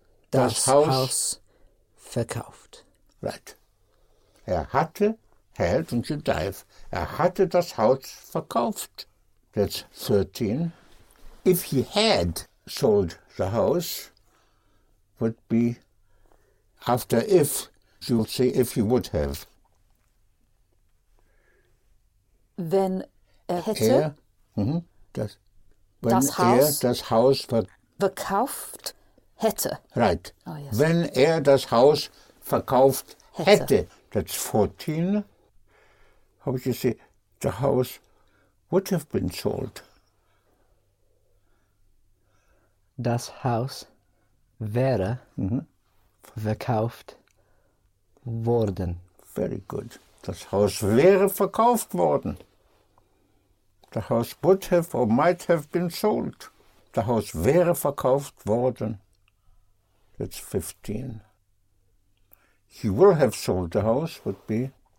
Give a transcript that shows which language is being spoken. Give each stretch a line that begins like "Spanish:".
German: Er hatte das Haus verkauft.
English: Right.
German: Er hatte das Haus verkauft.
English: That's 13. If he had sold the house, would be after if, you'll say if he would have.
German: Wenn er hätte das Haus verkauft hätte.
English: Right. Oh, yes.
German: Wenn er das Haus verkauft hätte.
English: That's 14. How would you say the house would have been sold?
German: Das Haus wäre verkauft worden.
English: Very good.
German: Das Haus wäre verkauft worden.
English: The house would have or might have been sold. The house
German: wäre verkauft worden.
English: That's 15. He will have sold the house, would be.